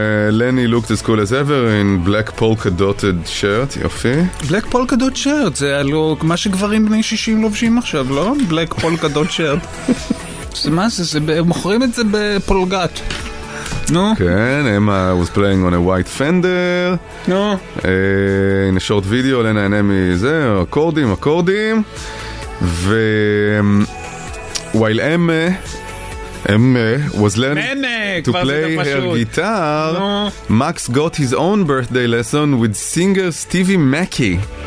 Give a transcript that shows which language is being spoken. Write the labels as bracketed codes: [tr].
[en] לני looked as cool as ever in black polka dotted shirt. [he] יופי. [en] Black polka dot shirt. [he] זה הלו, מה שגברים בני 60 לובשים עכשיו, לא? [en] Black polka dot shirt. [he] זה מה זה? זה מוכרים את זה בפולגת. נו. [en] כן, אמא was playing on a white fender. [he] נו. [en] In a short video, [he] לנהנה מזה, אקורדים, אקורדים. ו... [en] while אמא, אמא was learning to play her guitar, Max got his own birthday lesson with singer Stevie Mackey.